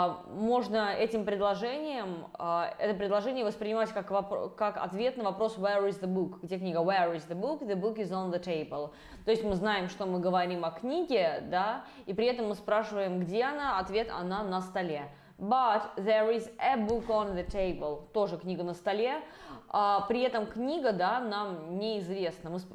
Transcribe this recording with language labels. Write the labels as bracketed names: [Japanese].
[Russian] Можно этим предложением, это предложение воспринимать как ответ на вопрос [English] where is the book, [Russian] где книга, [English] where is the book is on the table. [Russian] То есть мы знаем, что мы говорим о книге, да, и при этом мы спрашиваем, где она, ответ, она на столе. [English] But there is a book on the table. [Russian] Тоже книга на столе. При этом книга, да, нам неизвестна.